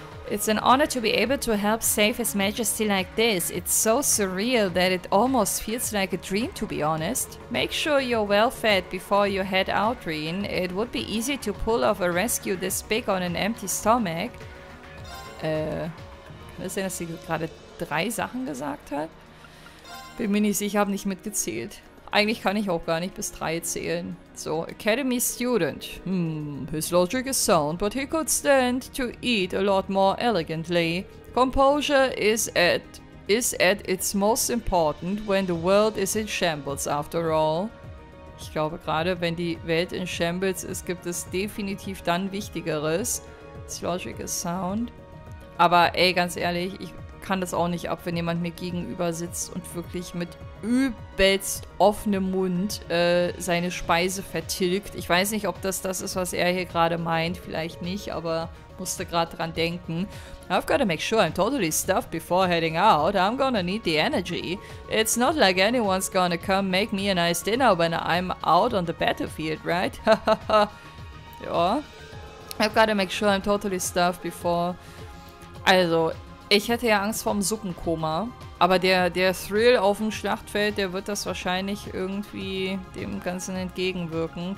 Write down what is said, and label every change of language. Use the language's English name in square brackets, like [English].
[English] It's an honor to be able to help save His Majesty like this. It's so surreal that it almost feels like a dream, to be honest. Make sure you're well fed before you head out, Rin. It would be easy to pull off a rescue this big on an empty stomach. [German] Kann das sein, dass sie gerade drei Sachen gesagt hat? Bin mir nicht sicher, habe nicht mitgezählt. Eigentlich kann ich auch gar nicht bis drei zählen. [English] So, Academy Student. His logic is sound, but he could stand to eat a lot more elegantly. Composure is at its most important when the world is in shambles, after all. [German] Ich glaube, gerade wenn die Welt in shambles ist, gibt es definitiv dann Wichtigeres. [English] His logic is sound. [German] Aber ey, ganz ehrlich, ich kann das auch nicht ab, wenn jemand mir gegenüber sitzt und wirklich mit übelst offenem Mund seine Speise vertilgt. Ich weiß nicht, ob das ist, was er hier gerade meint. Vielleicht nicht, aber musste gerade dran denken. [English] I've gotta make sure I'm totally stuffed before heading out. I'm gonna need the energy. It's not like anyone's gonna come make me a nice dinner when I'm out on the battlefield, right? [German] Ja. [English] I've gotta make sure I'm totally stuffed before... [German] Also, ich hätte ja Angst vorm Suppenkoma. Aber der Thrill auf dem Schlachtfeld, der wird das wahrscheinlich irgendwie dem Ganzen entgegenwirken.